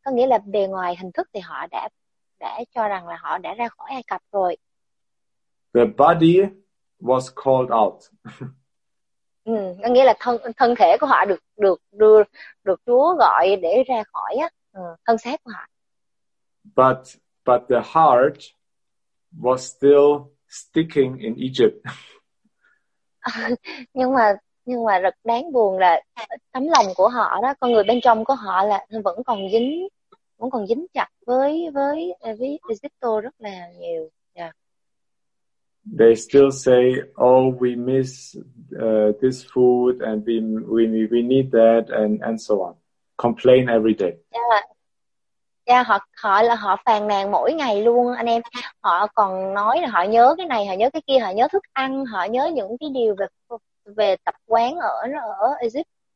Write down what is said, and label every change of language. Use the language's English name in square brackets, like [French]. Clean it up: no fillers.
[Vietnamese] Có nghĩa là bề ngoài hình thức thì họ đã cho rằng là họ đã ra khỏi Ai Cập rồi. [English] The body was called out. [Vietnamese] Có nghĩa là thân thể của họ được Chúa gọi để ra khỏi á, thân xác của họ. [English] But the heart was still sticking in Egypt. [Vietnamese] nhưng mà rất đáng buồn là tấm lòng của họ đó, con người bên trong của họ là vẫn còn dính chặt với Egypt rất là nhiều. [English] They still say, "Oh, we miss this food, and we need that, and so on." Complain every day. [Vietnamese] Họ phàn nàn mỗi ngày luôn, anh em. Họ còn nói là họ nhớ cái này, họ nhớ cái kia, họ nhớ thức ăn, họ nhớ những cái điều về tập quán ở Egypt.